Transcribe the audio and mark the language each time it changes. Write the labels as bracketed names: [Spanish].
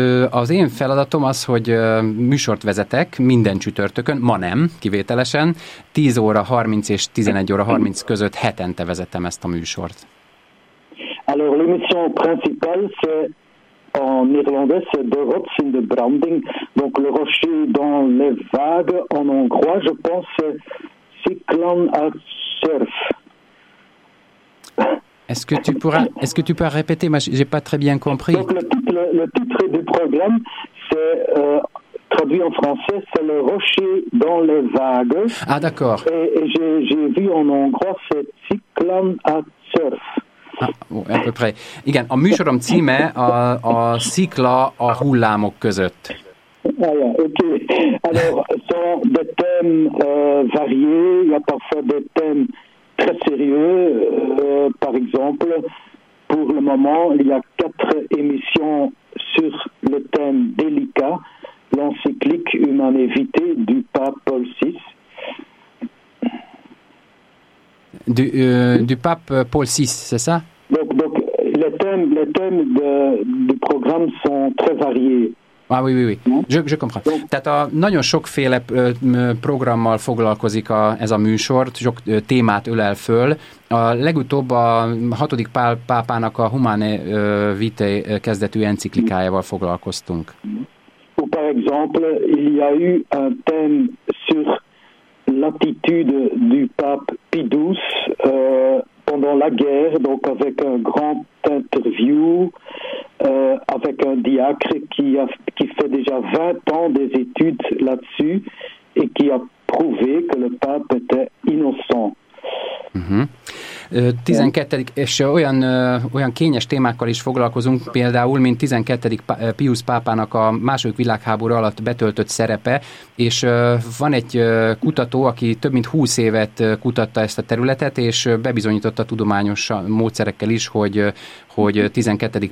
[Hungarian] Az én feladatom az, hogy műsort vezetek minden csütörtökön, ma nem, kivételesen, 10 óra 30 és 11 óra 30 között hetente vezetem ezt a műsort. [French] Alors l'émission principale c'est en irlandais c'est The Rocks in the Branding, donc le rocher dans les vagues en hongrois je pense c'est Cyclone à Surf. Est-ce que tu peux répéter, j'ai pas très bien compris. Donc le titre du programme c'est traduit en français, c'est le rocher dans les vagues. Ah, d'accord. Et j'ai vu en hongrois, c'est Cyclone à surf. Ah, à peu près. [Hungarian] Igen, a műsorom címe a Szikla a hullámok között. [French] Okay. Alors, sont des thèmes variés, il y a parfois des thèmes très sérieux. Par exemple, pour le moment, il y a 4 émissions sur le thème délicat, l'encyclique Humanae Vitae du pape Paul VI. Du pape Paul VI, c'est ça? Donc les thèmes du programme sont très variés. Ah oui, oui, oui. Je comprends. [Hungarian] Tehát a nagyon sokféle programmal foglalkozik ez a műsor, sok témát ölel föl. A legutóbb a 6. pápának a Humanae Vitae kezdetű enciklikájával foglalkoztunk. [French] Par exemple, il y a eu un thème sur l'attitude du pape Pie XII pendant la guerre, donc avec un grand interview avec un diacre qui fait déjà 20 ans des études là-dessus et qui a prouvé que le pape était innocent. Mm-hmm. 12. [Hungarian] És olyan kényes témákkal is foglalkozunk, például, mint 12. Pius pápának a II. Világháború alatt betöltött szerepe, és van egy kutató, aki több mint 20 évet kutatta ezt a területet, és bebizonyította tudományos módszerekkel is, hogy 12.